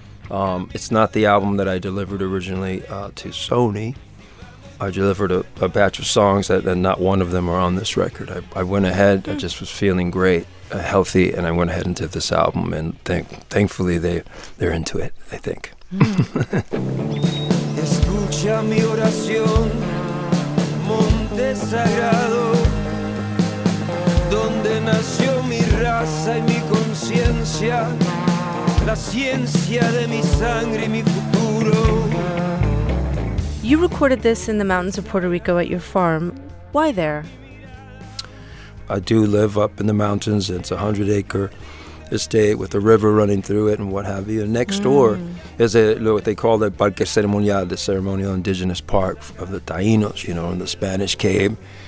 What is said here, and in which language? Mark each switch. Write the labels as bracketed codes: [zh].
[en] It's not the album that I delivered originally to Sony. I delivered a batch of songs that not one of them are on this record. I went ahead, I just was feeling great, healthy, and I went ahead and did this album, and thankfully they're into it, I think. [es] Escucha mi oración, Monte Sagrado. Donde nació mi raza y mi conciencia, la ciencia de mi sangre y mi futuro. [en] You recorded this in the mountains of Puerto Rico at your farm. Why there? I do live up in the mountains. It's a 100-acre estate with a river running through it and what have you. Next door is what they call the Parque Ceremonial, the ceremonial indigenous park of the Taínos, you know, when the Spanish came.